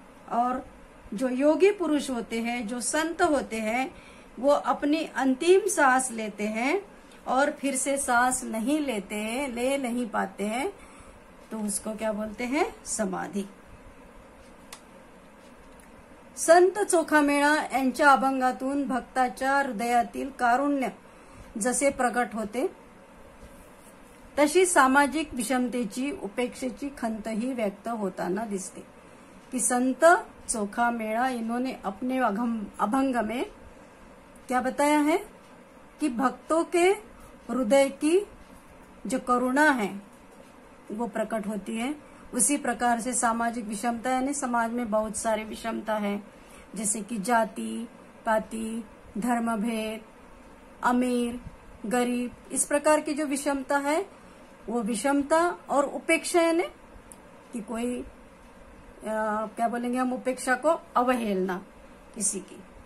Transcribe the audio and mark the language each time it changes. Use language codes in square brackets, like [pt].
[hi] और जो योगी पुरुष होते हैं, जो संत होते हैं, वो अपनी अंतिम सांस लेते हैं और फिर से सांस नहीं लेते, ले नहीं पाते हैं, तो उसको क्या बोलते हैं, समाधि। [mr] संत चोखा मेळा यांच्या अभंगातून भक्ताच्या हृदयातील कारुण्य जसे प्रकट होते, तशी सामाजिक विषमतेची उपेक्षेची खंतही व्यक्त होताना दिसते। [hi] कि संत चोखा मेळा इन्होंने अपने अभंग में क्या बताया है कि भक्तों के हृदय की जो करुणा है वो प्रकट होती है, उसी प्रकार से सामाजिक विषमता यानी समाज में बहुत सारे विषमता है, जैसे कि जाति पाति धर्म भेद, अमीर गरीब, इस प्रकार की जो विषमता है वो विषमता और उपेक्षा यानी कि कोई क्या बोलेंगे हम, उपेक्षा को अवहेलना किसी की,